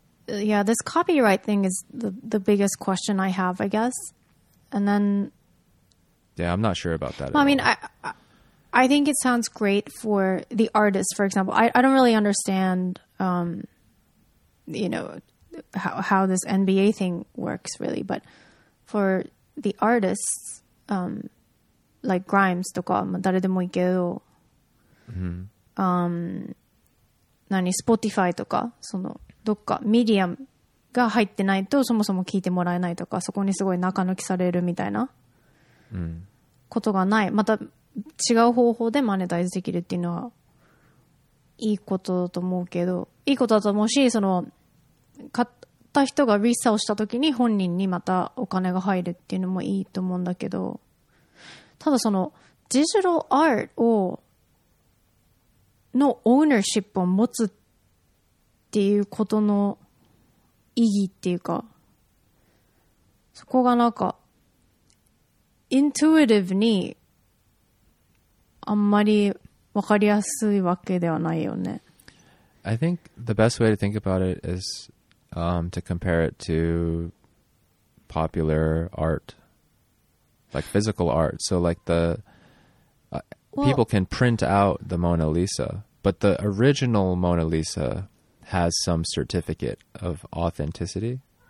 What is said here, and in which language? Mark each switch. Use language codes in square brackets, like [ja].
[en] yeah, this copyright thing is the biggest question I have, I guess. And then yeah, I'm not sure about that. Well, I think it sounds great for the artist, for example. I don't really understand, you know, how this NBA thing works, really. But for the artists, like [ja] Grimes, Spotify, Medium, が入ってないと、そもそも聞いてもらえないとか、そこにすごい中抜きされるみたいなことがない。また、違う方法でマネタイズできるっていうのはいいことだと思うけど、いいことだと思うし、その買った人がリセールした時に本人にまたお金が入るっていうのもいいと思うんだけど、ただそのデジタルアートをのオーナーシップを持つっていうことの意義っていうか、そこがなんかインツーティブにあんまりわかりやすいわけではないよね。 [en] I think the best way to think about it is to compare it to popular art, like physical art. So like the people can print out the Mona Lisa, but the original Mona Lisa has some certificate of authenticity.